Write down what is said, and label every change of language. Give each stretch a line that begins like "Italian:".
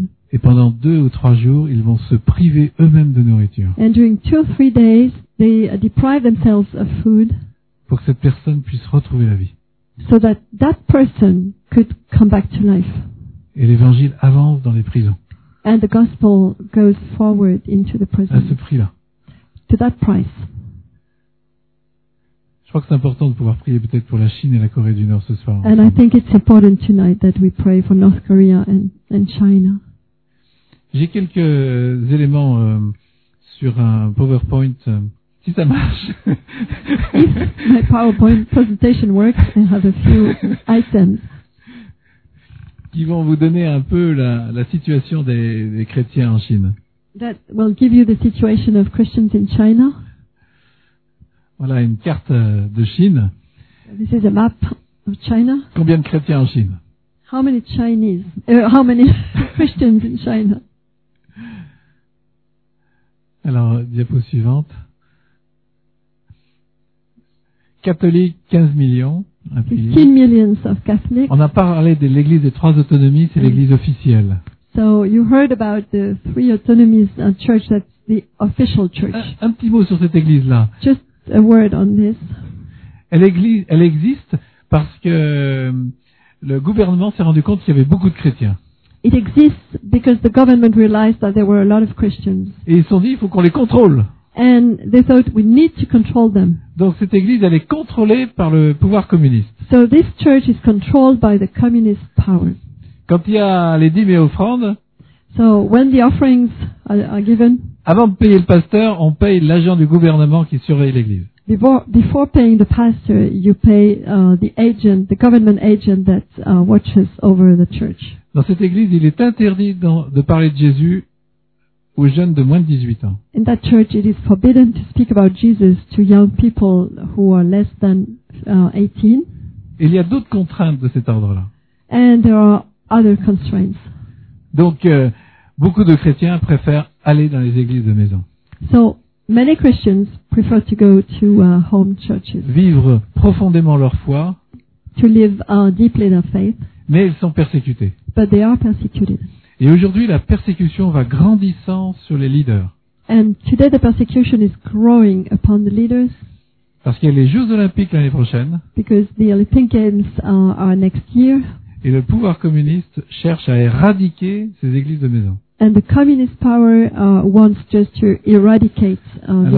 French: Et pendant 2 ou 3 jours, ils vont se priver eux-mêmes de nourriture.
English: And during 2 or 3 days, they deprive themselves of food.
French: Pour que cette personne puisse retrouver la vie.
English: So that that person could come back to life.
French: Et l'évangile avance dans les prisons.
English: And the gospel goes forward into the prison.
French: À ce prix-là.
English: To that price.
French: Je crois que c'est important de pouvoir prier peut-être pour la Chine et la Corée du Nord ce soir. Ensemble.
English: And I think it's important tonight that we pray for North Korea and China.
French: J'ai quelques éléments sur un PowerPoint. Si ça marche.
English: If my PowerPoint presentation works, I have a few items.
French: Qui vont vous donner un peu la situation des chrétiens en Chine.
English: That will give you the situation of Christians in China.
French: Voilà une carte de Chine.
English: This is a map of China.
French: Combien de chrétiens en Chine?
English: How many Chinese? How many Christians in China?
French: Alors, diapo suivante. Catholiques, 15 millions.
English: 15 millions of Catholics.
French: On a parlé de l'église des trois autonomies, c'est l'église officielle.
English: So you heard about the three autonomies of church, that's the official church.
French: Un petit mot sur cette église-là.
English: Just a word on this.
French: Elle existe parce que le gouvernement s'est rendu compte qu'il y avait beaucoup de chrétiens.
English: It exists because the government realized that there were a lot of Christians.
French: Et ils se sont dit, il faut qu'on les contrôle.
English: And they thought we need to control them.
French: Donc cette église, elle est contrôlée par le pouvoir communiste.
English: So this church is controlled by the communist power.
French: Quand il y a les dîmes et offrandes.
English: So when the offerings are given.
French: Avant de payer le pasteur, on paye l'agent du gouvernement qui surveille l'église.
English: Before paying the pastor, you pay the agent, the government agent that watches over the church.
French: Dans cette église, il est interdit de parler de Jésus aux jeunes de moins de 18 ans.
English: In that church, it is forbidden to speak about Jesus to young people who are less than 18.
French: Il y a d'autres contraintes de cet ordre-là.
English: And there are other constraints.
French: Donc, beaucoup de chrétiens préfèrent aller dans les églises de maison.
English: So, many Christians prefer to go to home churches.
French: Vivre profondément leur foi.
English: To live deeply their faith.
French: Mais ils sont persécutés.
English: But they are persecuted.
French: Et aujourd'hui, la persécution va grandissant sur les leaders.
English: And today the persecution is growing upon the leaders.
French: Parce qu'il y a les Jeux Olympiques l'année prochaine.
English: Because the Olympic Games are next year.
French: Et le pouvoir communiste cherche à éradiquer ces églises de maison.
English: And the communist power wants just to eradicate these home churches.